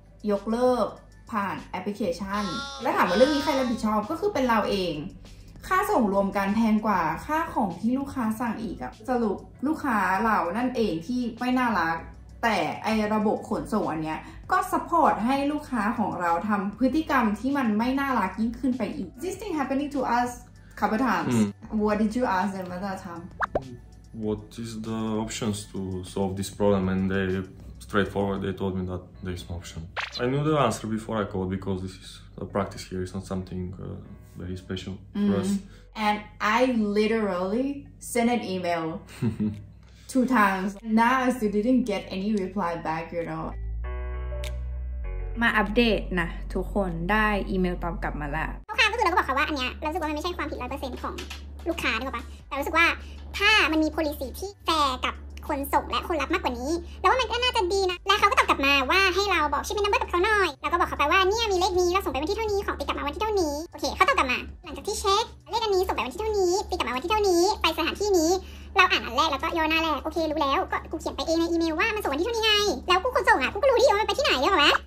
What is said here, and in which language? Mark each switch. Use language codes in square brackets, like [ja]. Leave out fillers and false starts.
[th] ยกเลิกผ่านแอปพลิเคชันแล้วถามว่าเรื่องนี้ใครรับผิดชอบก็คือเป็นเราเองค่าส่งรวมกันแพงกว่าค่าของที่ลูกค้าสั่งอีกอะสรุปลูกค้าเรานั่นเองที่ไม่น่ารักแต่ไอระบบขนส่งอันเนี้ยก็ซัพพอร์ตให้ลูกค้าของเราทำพฤติกรรมที่มันไม่น่ารักยิ่งขึ้นไปอีก [en] This thing happening to us couple times What did you ask them at that time? What is the options to solve this problem? And they straightforward they told me that there is no option. I knew the answer before I called because this is a practice here. It's not something very special for us. And I literally sent an email two times. Now I still didn't get any reply back, you know. [th] มาอัปเดตนะทุกคนได้อีเมลตอบกลับมาละ ลูกค้าก็คือเราก็บอกเขาว่าอันเนี้ยเรารู้สึกว่ามันไม่ใช่ความผิด 100% ของลูกค้าถูกปะแต่รู้สึกว่าถ้ามันมี policy ที่แฟร์กับคนส่งและคนรับมากกว่านี้แล้วว่ามันก็น่าจะดีนะและเขาก็ตอบกลับมาว่าให้เราบอกชื่อเป็นนัมเบอร์กับเขาหน่อยแล้วก็บอกเขาไปว่าเนี่ยมีเลขนี้เราส่งไปวันที่เท่านี้ของติดกลับมาวันที่เท่านี้โอเคเขาตอบกลับมาหลังจากที่เช็คเลขอันนี้ส่งไปวันที่เท่านี้ติดกลับมาวันที่เท่านี้ไปสถานที่นี้เราอ่านอันแรกแล้วก็ย่อหน้าแรกโอเครู้แล้วก็กูเขียนไปเองในอีเมลว่ามันส่งวันที่เท่านี้ไงแล้วกูคนส่งอ่ะกูก็รู้ดีว่ามันไปที่ไหนหรอวะ